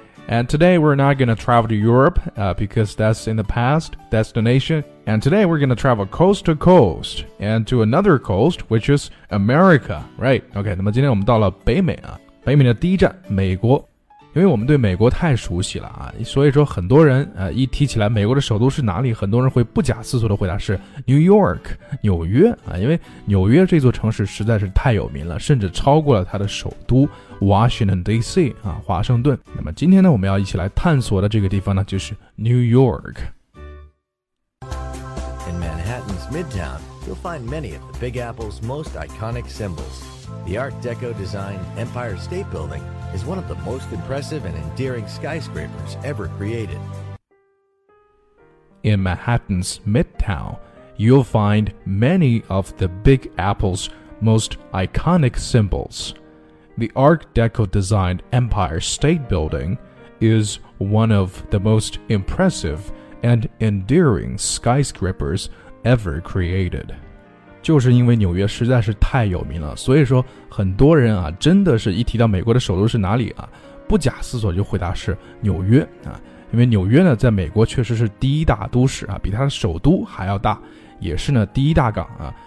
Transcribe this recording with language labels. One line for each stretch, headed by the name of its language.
English: And today we're not going to travel to Europe, because that's in the past destination. And today we're going to travel coast to coast and to another coast, which is America, right?
Chinese: Okay, 那么今天我们到了北美啊，北美的第一站美国。因为我们对美国太熟悉了啊，所以说很多人一提起来美国的首都是哪里，很多人会不假思索的回答是 New York, 纽约啊，因为纽约这座城市实在是太有名了，甚至超过了它的首都 Washington DC 啊，华盛顿。那么今天呢，我们要一起来探索的这个地方呢，就是 New York.
English: In Manhattan's Midtown, you'll find many of the Big Apple's most iconic symbols. The Art Deco design Empire State Building. Is one of the most impressive and endearing skyscrapers ever created. In Manhattan's Midtown, you'll find many of the Big Apple's most iconic symbols. The Art Deco-designed Empire State Building is one of the most impressive and endearing skyscrapers ever created.
Chinese: 就是因为纽约实在是太有名了，所以说很多人啊，真的是一提到美国的首都是哪里啊，不假思索就回答是纽约啊。因为纽约呢，在美国确实是第一大都市啊，比它的首都还要大，也是呢第一大港啊。